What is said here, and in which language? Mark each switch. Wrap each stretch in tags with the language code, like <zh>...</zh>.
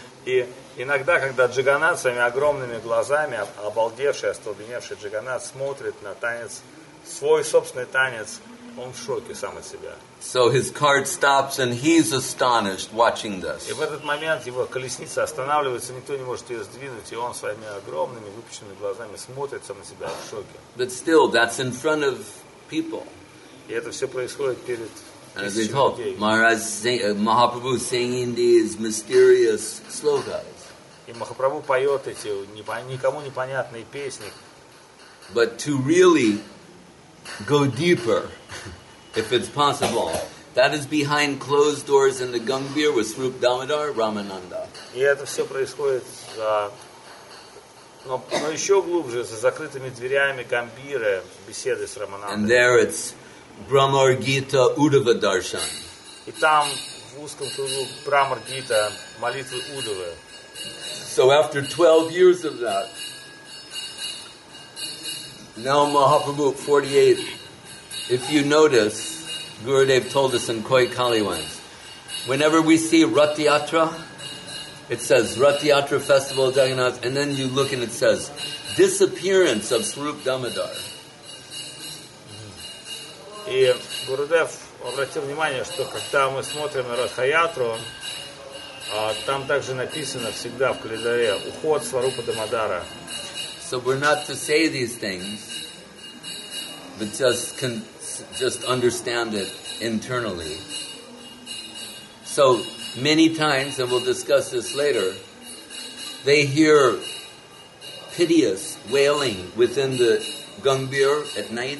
<ru>И иногда, когда Джаганнат своими огромными глазами, обалдевший, остолбеневший Джаганнат, смотрит на танец, свой собственный танец, он в шоке сам от себя.</ru> <en>So his cart stops and he's astonished watching this.</en> <ru>И в этот момент его колесница останавливается, никто не может ее сдвинуть, и он своими огромными выпученными глазами смотрит сам на себя в шоке.</ru> <en>But still, that's in front of people.</en> <ru>И это все происходит перед...</ru> <en>And as we told, Maharaj Mahaprabhu singing these mysterious slokas.</en> <ru>И Махапрабху поет эти никому непонятные песни.</ru> <en>But to really go deeper, if it's possible, That is behind closed doors in the Gambhir with Srupa Damodar Ramananda.</en> <ru>И это все происходит за, но еще глубже, за закрытыми дверями Гамбиры, беседы с Раманандой.</ru> <en>And there it's Brahmar Gita Uddhava Darshan.</en> <ru>И там в узком кругу Brahmar Gita молитвы Удовы.</ru> <en>So after 12 years of that, now Mahaprabhu 48, if you notice, Gurudev told us in Koi Kali once, whenever we see Rath Yatra, it says Rath Yatra Festival of Jagannath, and then you look and it says disappearance of Srupa Damodar.</en> <ru>И Гурудев обратил внимание, что когда мы смотрим на Ратха Ятру, там также написано всегда в календаре уход Сварупа Дамодара.</ru> <en>So we're not to say these things, but just understand it internally. So many times, and we'll discuss this later, they hear piteous wailing within the Gambhir at night.</en>